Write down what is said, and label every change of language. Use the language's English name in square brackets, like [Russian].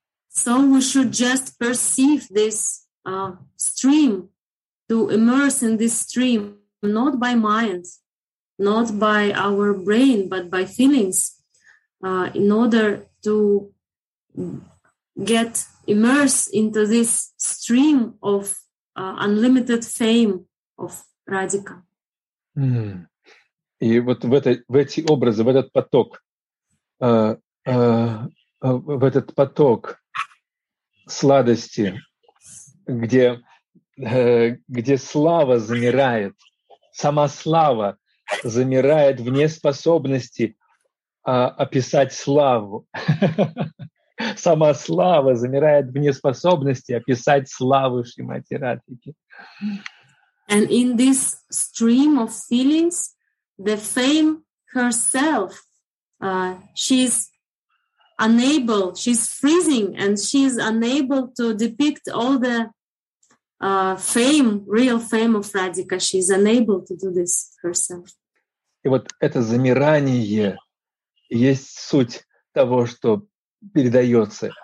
[English] So we should just perceive this stream, to immerse in this stream, not by mind, not by our brain, but by feelings, in order to get immersed into this stream of unlimited fame of Radhika. Mm. [Russian] И вот в эти образы, в этот поток, в этот поток сладости, где слава замирает, сама слава замирает в неспособности описать славу. Сама слава замирает в неспособности описать славу Шримати Радхики. [English] And in this stream of feelings, the fame herself. She's unable, she's freezing, and she's unable to depict all the fame, real fame of Radhika. She's unable to do this herself. [Russian] И вот это замирание есть суть того, что передается.